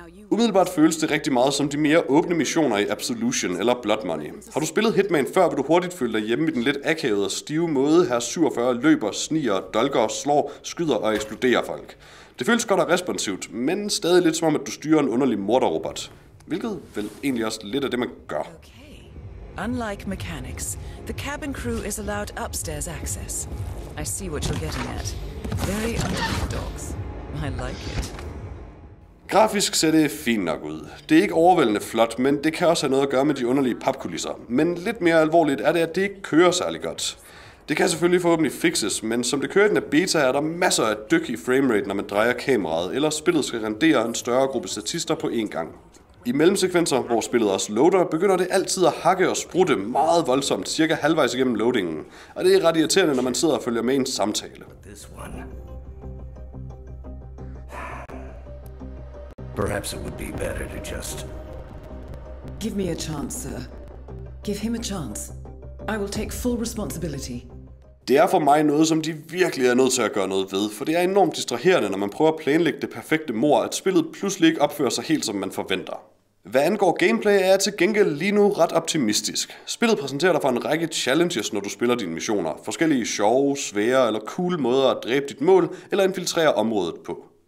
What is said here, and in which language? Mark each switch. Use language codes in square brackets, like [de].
[da] Umiddelbart føles det rigtig meget som de mere åbne missioner i Absolution eller Blood Money. Har du spillet Hitman før, vil du hurtigt føle dig hjemme i den lidt akavede og stive måde, her 47 løber, sniger, dolker, slår, skyder og eksploderer folk. Det føles godt og responsivt, men stadig lidt som om, at du styrer en underlig morderrobot. Hvilket vel egentlig også lidt af det, man gør. Okay. [en] Unlike mechanics, the cabin crew is allowed upstairs access. I see what you're getting at. Very underdog. I like it. [da] Grafisk ser det fint nok ud. Det er ikke overvældende flot, men det kan også have noget at gøre med de underlige papkulisser. Men lidt mere alvorligt er det, at det ikke kører særlig godt. Det kan selvfølgelig forhåbentlig fixes, men som det kører i den af beta, er der masser af dyk i framerate, når man drejer kameraet, eller spillet skal rendere en større gruppe statister på én gang. I mellemsekvenser, hvor spillet også loader, begynder det altid at hakke og sprutte meget voldsomt, cirka halvvejs igennem loadingen. Og det er ret irriterende, når man sidder og følger med i en samtale. [en] Perhaps it would be better to just... Give me a chance, sir. Give him a chance. I will take full responsibility. [da] Det er for mig noget, som de virkelig er nødt til at gøre noget ved, for det er enormt distraherende, når man prøver at planlægge det perfekte mord, at spillet pludselig ikke opfører sig helt, som man forventer. Hvad angår gameplay, er jeg til gengæld lige nu ret optimistisk. Spillet præsenterer dig for en række challenges, når du spiller dine missioner. Forskellige sjove, svære eller cool måder at dræbe dit mål eller infiltrere området på.